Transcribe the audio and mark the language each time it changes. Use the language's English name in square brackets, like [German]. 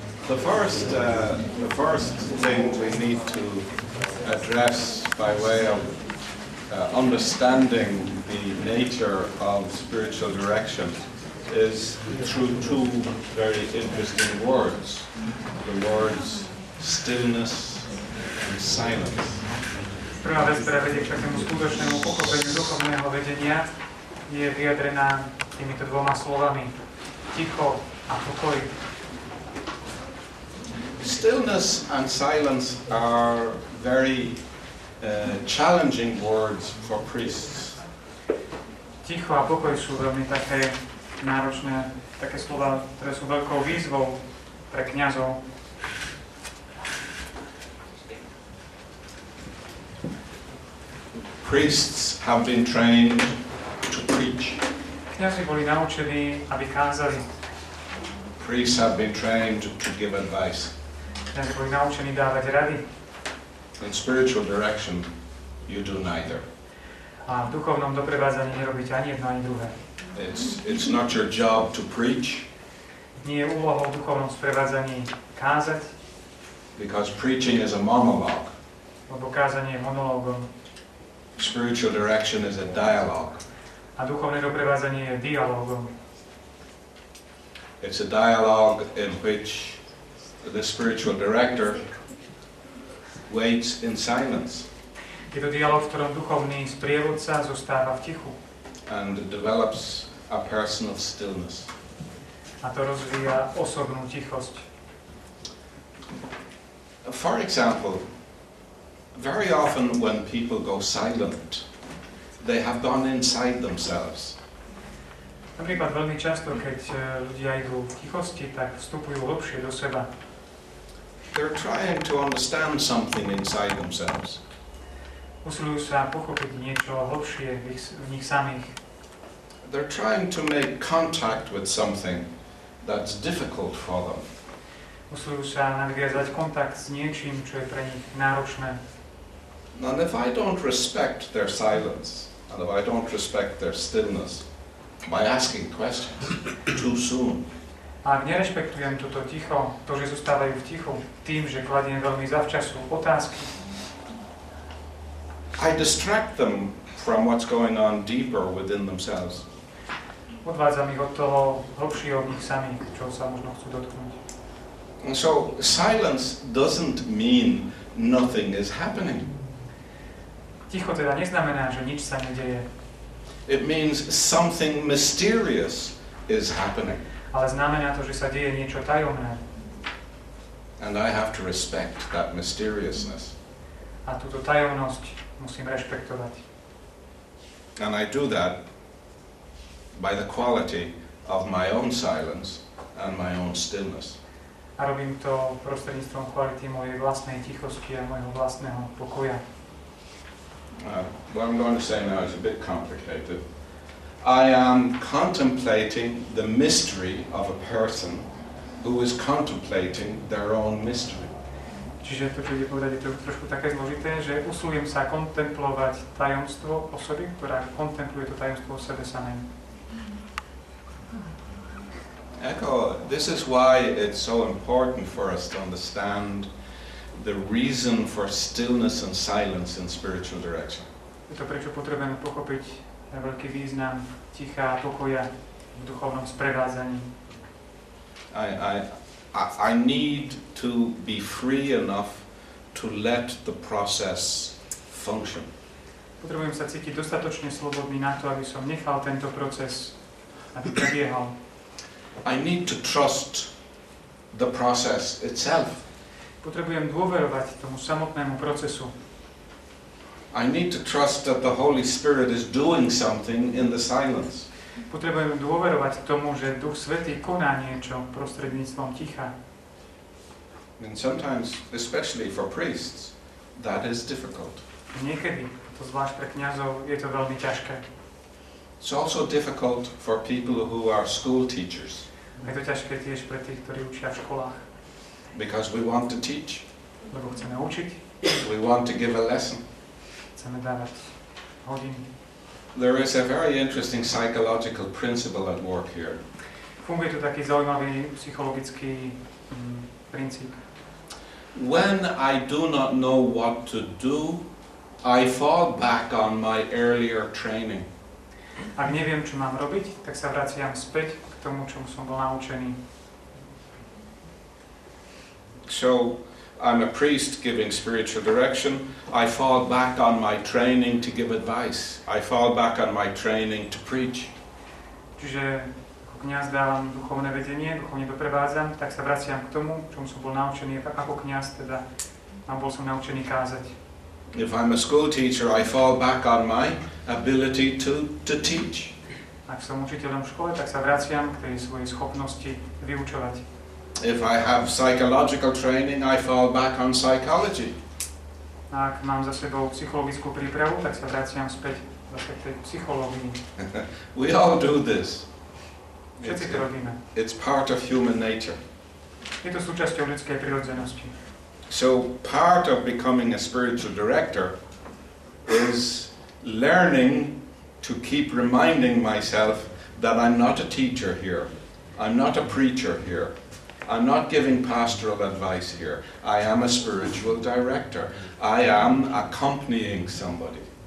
[English] The first thing we need to address by way of understanding the nature of spiritual direction is through two very interesting words. The words stillness and silence. [Slovak] Prvá vec, ktorá vedie k takému skutočnému pochopeniu duchovného vedenia, je vyjadrená týmito dvoma slovami. Ticho a pokoj. [English] Stillness and silence are very challenging words for priests. [Slovak] Ticho a pokoj sú veľmi také náročné, také slova, ktoré sú veľkou výzvou pre kňazov. [English] Priests have been trained to preach. [Slovak] Kňazi boli naučení, aby kázali. [English] Priests have been trained to give advice. [Slovak] Kňazi boli naučení dávať rady. [English] In spiritual direction, you do neither. [Slovak] A v duchovnom doprevádzaní nerobíte ani jedno, ani druhé. [English] It's not your job to preach. [Slovak] Nie je úlohou v duchovnom sprevádzaní kázať. [English] Because preaching is a monologue. [Slovak] Lebo kázanie je monologom. [English] Spiritual direction is a dialogue. [Slovak] A duchovné doprevádzanie je dialogom. [English] It's a dialogue in which the spiritual director waits in silence. [Slovak] Je to dialog, v ktorom duchovný sprievodca zostáva v tichu. [English] And develops a personal stillness. [Slovak] A to rozvíja osobnú tichosť. [English] For example, very often when people go silent, they have gone inside themselves. [Slovak] Napríklad veľmi často, keď ľudia idú v tichosti, tak vstupujú hlbšie do seba. [English] They're trying to understand something inside themselves. [Slovak] Usilujú sa pochopiť niečo hlbšie v nich samých. [English] They're trying to make contact with something that's difficult for them. [Slovak] Usilujú sa nadviazať kontakt s niečím, čo je pre nich náročné. [English] And if I don't respect their silence, and if I don't respect their stillness, by asking questions too soon. [Slovak] Ak nerešpektujem toto ticho, to, že zostávajú v tichu, tým, že kladiem veľmi zavčasu otázky, [English] I distract them from what's going on deeper within themselves. [Slovak] Odvádzam ich od toho hlbšieho v nich samých, čo sa možno chcú dotknúť. [English] And so silence doesn't mean nothing is happening. [Slovak] Ticho teda neznamená, že nič sa nedeje. [English] It means something mysterious is happening. [Slovak] Ale znamená to, že sa deje niečo tajomné. [English] And I have to respect that mysteriousness. [Slovak] A túto tajomnosť musím rešpektovať. [English] And I do that by the quality of my own silence and my own stillness. [Slovak] A robím to prostredníctvom kvality mojej vlastnej tichosti a mojho vlastného pokoja. [English] What I'm going to say now is a bit complicated. I am contemplating the mystery of a person who is contemplating their own mystery. [Slovak] Čiže to, čo ide povedať, je to trošku také zložité, že usilujem sa kontemplovať tajomstvo osoby, ktorá kontempluje to tajomstvo o sebe samej. [English] Echo, this is why it's so important for us to understand the reason for stillness and silence in spiritual direction. [Slovak] Je to, prečo potrebujeme pochopiť veľký význam ticha a pokoja v duchovnom sprevádzaní. [English] I need to be free enough to let the process function. [Slovak] Potrebujem sa cítiť dostatočne slobodný na to, aby som nechal tento proces, aby prebiehal. [English] I need to trust the process itself. [Slovak] Potrebujem dôverovať tomu samotnému procesu. [English] I need to trust that the Holy Spirit is doing something in the silence. [Slovak] Potrebujem dôverovať tomu, že Duch Svätý koná niečo prostredníctvom ticha. [English] And sometimes, especially for priests, that is difficult. [Slovak] Niekedy, to zvlášť pre kňazov je to veľmi ťažké. [English] It's also difficult for people who are school teachers. [Slovak] Je to ťažké tiež pre tých, ktorí učia v školách. [English] Because we want to teach. [Slovak] Lebo chceme učiť. [English] We want to give a lesson. [Slovak] Chceme dávať hodiny. [English] There is a very interesting psychological principle at work here. [Slovak] Funguje tu taký zaujímavý psychologický princíp. [English] When I do not know what to do, I fall back on my earlier training. [Slovak] Ak neviem, čo mám robiť, tak sa vraciam späť k tomu, čomu som bol naučený. [English] So, I'm a priest giving spiritual direction. I fall back on my training to give advice. I fall back on my training to preach. [Slovak] Čiže ako kňaz dávam duchovné vedenie, duchovne doprevádzam, tak sa vraciam k tomu, čomu som bol naučený ako kňaz, teda a bol som naučený kázať. [English] If I'm a school teacher, I fall back on my ability to teach. [Slovak] Ak som učiteľom v škole, tak sa vraciam k tej svojej schopnosti vyučovať. [English] If I have psychological training, I fall back on psychology. [Slovak] Ak mám za sebou psychologickú prípravu, tak sa vraciam späť k tej psychológii. [English] We all do this. [Slovak] Všetci to robíme. [English] It's part of human nature. [Slovak] Je to súčasťou ľudskej prirodzenosti. [English] So part of becoming a spiritual director is learning to keep reminding myself that I'm not a teacher here. I'm not a preacher here. I'm not giving pastoral advice here. I am a spiritual director. I am accompanying somebody.